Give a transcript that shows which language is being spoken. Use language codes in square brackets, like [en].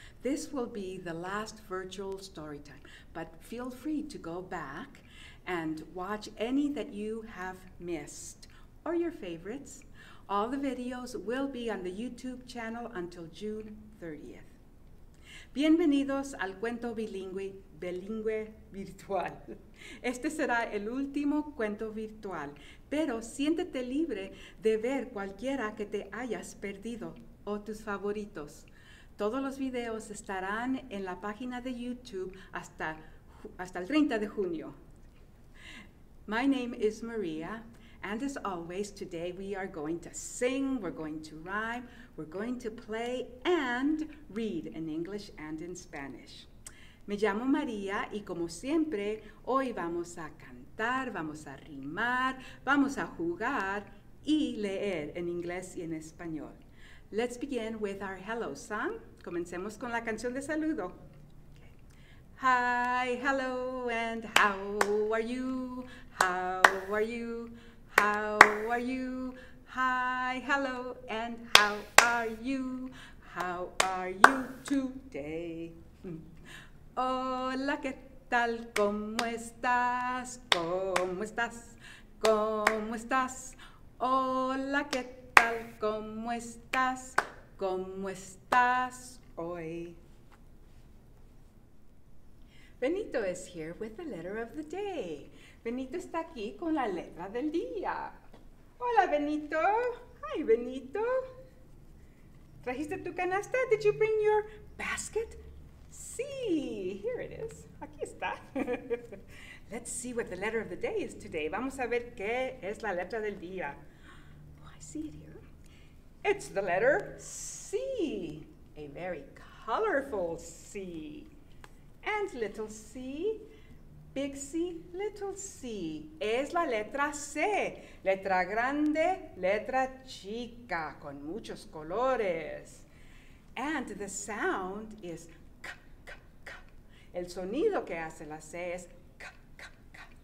[en] This will be the last virtual story time, but feel free to go back and watch any that you have missed or your favorites. All the videos will be on the YouTube channel until June 30th. [es] Bienvenidos al cuento bilingüe, bilingüe virtual. Este será el último cuento virtual, pero siéntete libre de ver cualquiera que te hayas perdido o tus favoritos. Todos los videos estarán en la página de YouTube hasta el 30 de junio. [en] My name is Maria, and as always, today we are going to sing, we're going to rhyme, we're going to play and read in English and in Spanish. [es] Me llamo María y como siempre, hoy vamos a cantar, vamos a rimar, vamos a jugar y leer en inglés y en español. [en] Let's begin with our hello song. [es] Comencemos con la canción de saludo. [en] Okay. Hi, hello, and how are you? How are you? How are you? Hi, hello, and how are you? How are you today? [es] Hola, ¿qué tal? ¿Cómo estás? ¿Cómo estás? ¿Cómo estás? Hola, ¿qué tal? ¿Cómo estás? ¿Cómo estás hoy? [en] Benito is here with the letter of the day. [es] Benito está aquí con la letra del día. Hola, Benito. [en] Hi, Benito. [es] ¿Trajiste tu canasta? [en] Did you bring your basket? [es] Sí, [en] here it is. [es] Aquí está. [en] Let's see what the letter of the day is today. [es] Vamos a ver qué es la letra del día. [en] Oh, I see it here. It's the letter C, a very colorful C. And little C, big C, little C. [es] Es la letra C, letra grande, letra chica, con muchos colores. [en] And the sound is k, k, k. [es] El sonido que hace la C es k, k, k.